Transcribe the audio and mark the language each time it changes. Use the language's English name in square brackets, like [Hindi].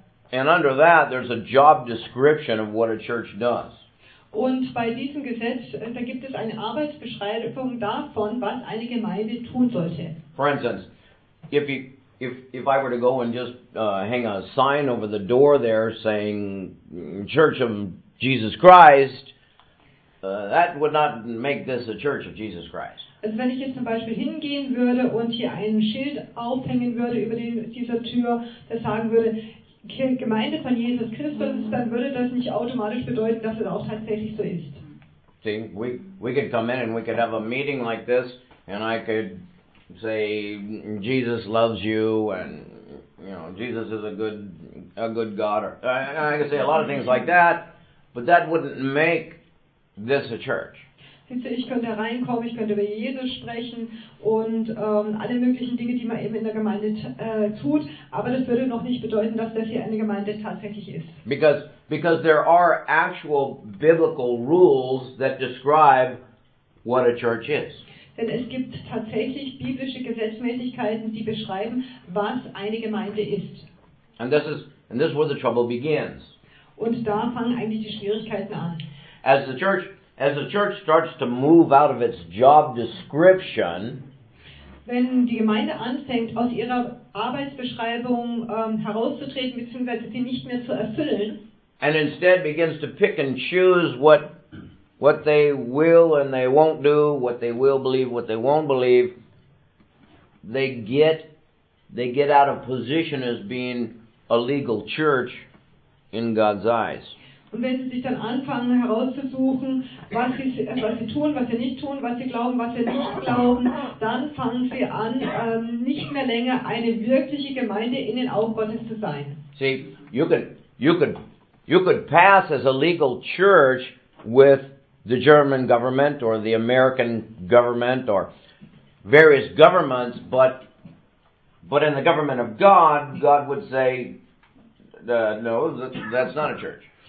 [English] And under that, there's a job description of what a church does. [German] Und bei diesem Gesetz, da gibt es eine Arbeitsbeschreibung davon, was eine Gemeinde tun sollte. [English] For instance, if I were to go and just hang a sign over the door there saying Church of Jesus Christ, that would not make this a Church of Jesus Christ. [German] Also wenn ich jetzt zum Beispiel hingehen würde und hier ein Schild aufhängen würde über dieser Tür, das sagen würde, Gemeinde von Jesus Christus, dann würde das nicht automatisch bedeuten, dass es auch tatsächlich so ist. [English] See, we could come in and we could have a meeting like this and I could say Jesus loves you and you know Jesus is a good God or I could say a lot of things like that, but that wouldn't make this a church. [German] Ich könnte reinkommen, ich könnte über Jesus sprechen und alle möglichen Dinge, die man eben in der Gemeinde tut, aber das würde noch nicht bedeuten, dass das hier eine Gemeinde tatsächlich ist. [English] Because there are actual biblical rules that describe what a church is. [German] Denn es gibt tatsächlich biblische Gesetzmäßigkeiten, die beschreiben, was eine Gemeinde ist. [English] And this is where the trouble begins. [German] Und da fangen eigentlich die Schwierigkeiten an. [English] As the church starts to move out of its job description, [German] wenn die Gemeinde anfängt, aus ihrer Arbeitsbeschreibung herauszutreten bzw. sie nicht mehr zu erfüllen, [English] and instead begins to pick and choose what they will and they won't do, what they will believe, what they won't believe, they get out of position as being a legal church in God's eyes. [German] Und wenn sie sich dann anfangen herauszusuchen, was sie tun, was sie nicht tun, was sie glauben, was sie nicht glauben, dann fangen sie an, nicht mehr länger eine wirkliche Gemeinde in den Augen Gottes zu sein. [English] See, you could pass as a legal church with the German government or the American government or various governments, but in the government of God, God would say, no, that's not a church.